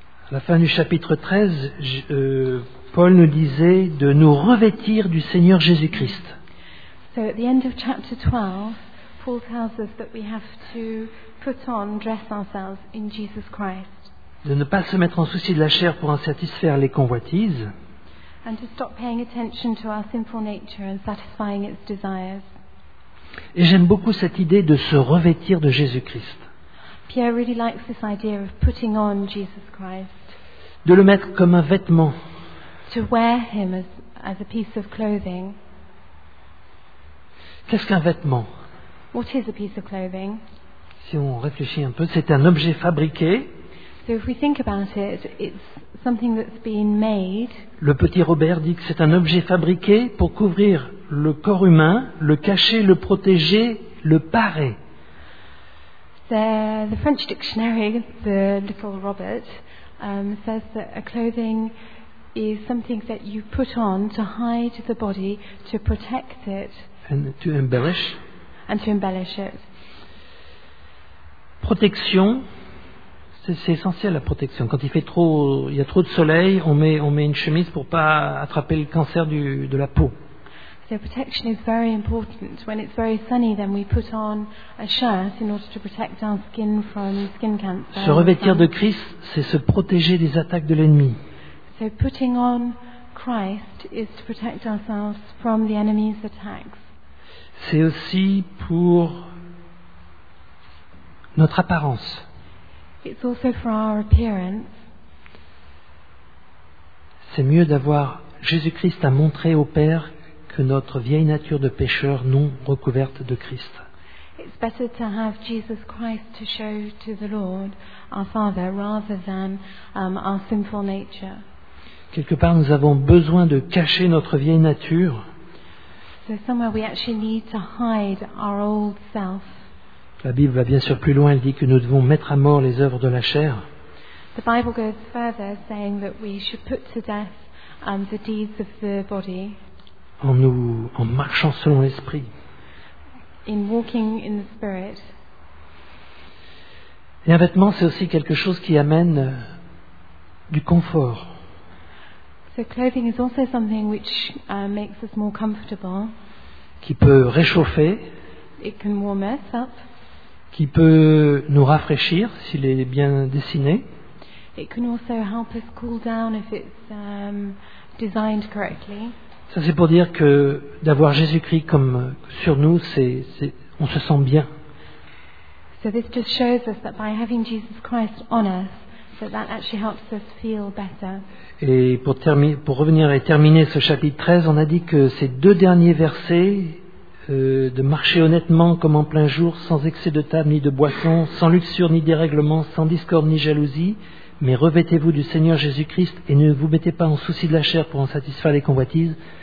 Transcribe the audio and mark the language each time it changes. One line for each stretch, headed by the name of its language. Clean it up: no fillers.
French: À la fin du chapitre 13, Paul nous disait de nous revêtir du Seigneur Jésus-Christ.
English: So at the end of chapter 12, Paul tells us that we have to put on, dress ourselves in Jesus Christ.
French: De ne pas se mettre en souci de la chair pour en satisfaire les convoitises.
English: And to stop paying attention to our sinful nature and satisfying its desires.
French: Et j'aime beaucoup cette idée de se revêtir de Jésus-Christ.
English: Pierre really likes this idea of putting on Jesus Christ.
French: De le mettre comme un vêtement.
English: To wear him as a piece of clothing.
French: Qu'est-ce qu'un vêtement?
English: What is a piece of clothing?
French: Si on réfléchit un peu, c'est un objet fabriqué.
English: So if we think about it, it's something that's been made.
French: Le petit Robert dit que c'est un objet fabriqué pour couvrir le corps humain, le cacher, le protéger, le parer.
English: The French dictionary, the little Robert, says that a clothing is something that you put on to hide the body, to protect it. And to embellish. And to embellish it.
French: Protection, c'est essentiel la protection. Quand il fait trop, il y a trop de soleil, on met une chemise pour pas attraper le cancer de la peau.
English: So protection is very important. When it's very sunny, then we put on a shirt in order to protect our skin from skin cancer.
French: Se revêtir de Christ, c'est se protéger des attaques de l'ennemi.
English: So putting on Christ is to protect ourselves from the enemy's attacks.
French: C'est aussi pour notre apparence.
English: It's also for our appearance.
French: C'est mieux d'avoir Jésus-Christ à montrer au Père que notre vieille nature de pécheur non recouverte de Christ.
English: It's better to have Jesus Christ to show to the Lord, our Father, rather than our sinful nature.
French: Quelque part, nous avons besoin de cacher notre vieille nature.
English: So somewhere we actually need to hide our old self.
French: La Bible va bien sûr plus loin, elle dit que nous devons mettre à mort les œuvres de la chair.
English: The Bible goes further, saying that we should put to death the deeds of the body.
French: En marchant selon l'esprit.
English: In walking in the spirit.
French: Et un vêtement, c'est aussi quelque chose qui amène du confort.
English: So clothing is also something which makes us more comfortable.
French: Qui peut réchauffer.
English: It can warm us up.
French: Qui peut nous rafraîchir s'il est bien dessiné.
English: It can also help us cool down if it's designed correctly.
French: Ça c'est pour dire que d'avoir Jésus-Christ comme sur nous, c'est on se sent bien.
English: So this just shows us that by having Jesus Christ on us, that actually helps us feel better.
French: Et pour revenir et terminer ce chapitre 13, on a dit que ces deux derniers versets, de marcher honnêtement comme en plein jour, sans excès de table ni de boisson, sans luxure ni dérèglement, sans discorde ni jalousie, mais revêtez-vous du Seigneur Jésus-Christ et ne vous mettez pas en souci de la chair pour en satisfaire les convoitises.